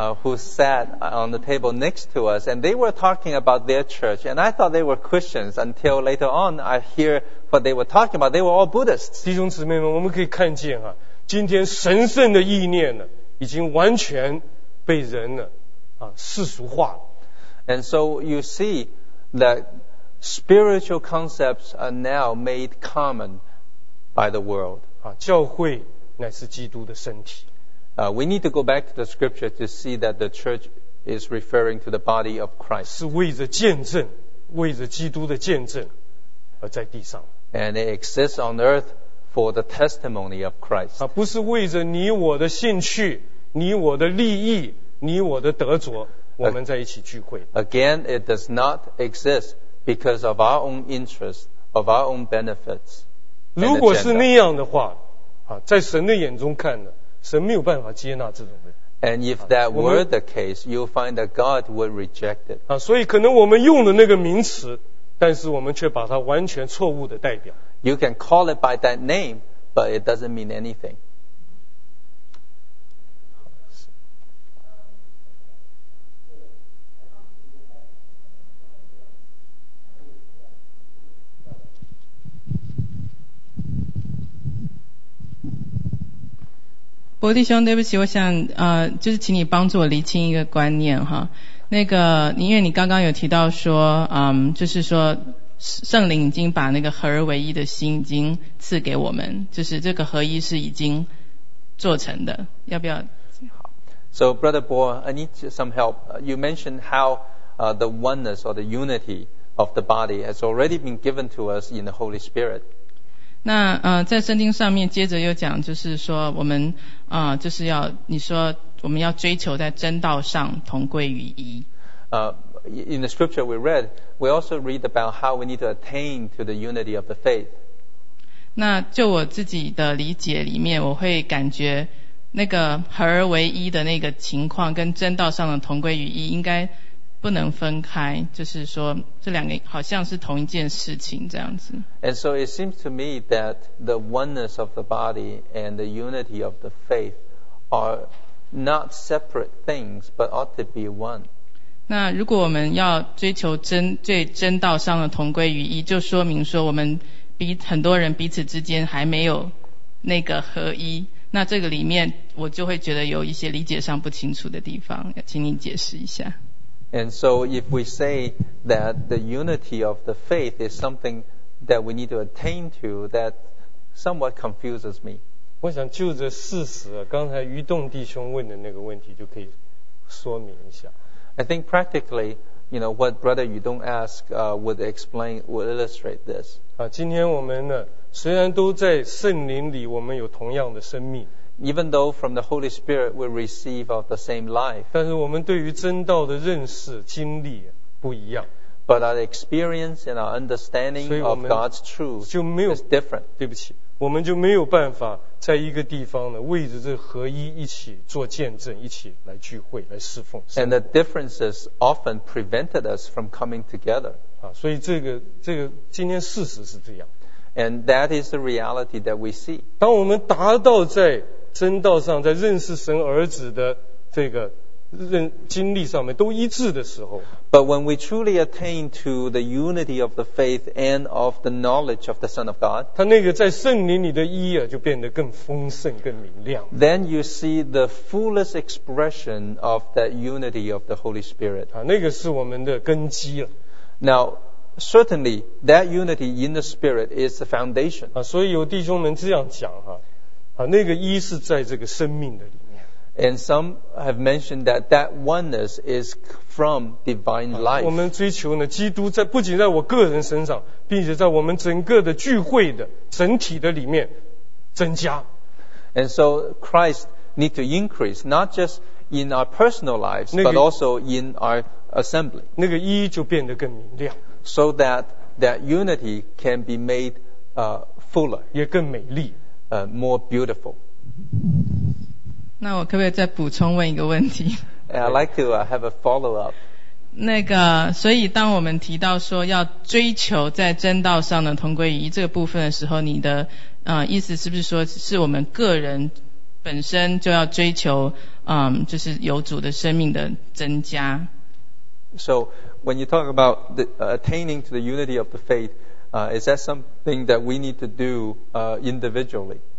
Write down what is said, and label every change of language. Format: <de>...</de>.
<en>Who sat on the table next to us, and they were talking about their church, and I thought they were Christians until later on I hear what they were talking about. They were all Buddhists.</en> <zh>弟兄姊妹们，我们可以看见啊，今天神圣的意念呢，已经完全被人呢世俗化了。</zh> <en>And so you see that spiritual concepts are now made common by the world.</en> <zh>啊，教会乃是基督的身体。</zh> <en>We need to go back to the scripture to see that the church is referring to the body of Christ.</en> <zh>是为着见证，为着基督的见证而在地上。</zh> <en>And it exists on earth for the testimony of Christ.</en> <zh>啊，不是为着你我的兴趣，你我的利益，你我的得着。</zh> <en>Again, it does not exist because of our own interests, of our own benefits.</en> <zh>如果是那样的话，在神的眼中看呢，神没有办法接纳这种人。</zh> <en>And if that were the case, you'll find that God would reject it.</en> <zh>所以可能我们用的那个名词，但是我们却把它完全错误的代表。</zh> <en>You can call it by that name, but it doesn't mean anything.</en> <zh>伯弟兄，对不起，我想就是请你帮助我厘清一个观念哈。那个，因为你刚刚有提到说，就是说圣灵已经把那个合而为一的心已经赐给我们，就是这个合一是已经做成的。要不要？好。</zh> <en>So Brother Bo, I need some help. You mentioned how the oneness or the unity of the body has already been given to us in the Holy Spirit.</en> <zh>那在圣经上面接着又讲，就是说我们就是要你说我们要追求在真道上同归于一。</zh> <en>In the scripture we read, we also read about how we need to attain to the unity of the faith.</en> <zh>那就我自己的理解里面，我会感觉那个合而为一的那个情况跟真道上的同归于一应该不能分开，就是说这两个好像是同一件事情这样子。</zh> <en>And so it seems to me that the oneness of the body and the unity of the faith are not separate things but ought to be one.</en> <zh>那如果我们要追求真道上的同归于一，就说明说我们很多人彼此之间还没有那个合一，那这个里面我就会觉得有一些理解上不清楚的地方，请你解释一下。</zh> <en>And so if we say that the unity of the faith is something that we need to attain to, that somewhat confuses me.</en> <zh>我想就着事实，刚才于栋弟兄问的那个问题就可以说明一下。</zh> <en>I think practically, you know, what Brother Yu Dong asked, would explain, would illustrate this.</en> <zh>今天我们呢，虽然都在圣灵里，我们有同样的生命。</zh> <en>Even though from the Holy Spirit we receive of the same life,</en> <zh>但是我们对于真道的认识经历不一样。</zh> <en>But our experience and our understanding of God's truth</en> <zh>就没有</zh> <en>is different.</en> <zh>对不起，我们就没有办法在一个地方呢，为着这合一一起做见证，一起来聚会，来侍奉。</zh> <en>And the differences often prevented us from coming together.</en> <zh>所以这个今天事实是这样。</zh> <en>And that is the reality that we see.</en> <zh>当我们达到在真道上，在认识神儿子的这个经历上面都一致的时候，</zh> <en>But when we truly attain to the unity of the faith and of the knowledge of the Son of God,</en> <zh>他那个在圣灵里的一啊，就变得更丰盛、更明亮。</zh> <en>Then you see the fullest expression of that unity of the Holy Spirit.</en> <zh>那个是我们的根基了。</zh> <en>Now. Certainly, that unity in the Spirit is the foundation.</en> <zh>所以有弟兄们这样讲哈，那个一是在这个生命的里面。</zh> <en>And some have mentioned that that oneness is from divine life.</en> <zh>我们追求呢，基督在不仅在我个人身上，并且在我们整个的聚会的整体的里面增加。</zh> <en>And so Christ need to increase not just in our personal lives, but also in our assembly.</en> <zh>那个一就变得更明亮。</zh> <en>So that that unity can be made fuller,</en> <zh>也更美丽</zh> <en>more beautiful.</en> <zh>那我可不可以再补充问一个问题？</zh> <en>I'd like to have a follow-up.</en> <zh>那个，所以当我们提到说要追求在真道上的同归于一这个部分的时候，你的意思是不是说是我们个人本身就要追求就是有主的生命的增加？</zh> <en>So, when you talk about the, attaining to the unity of the faith, is that something that we need to do individually?</en>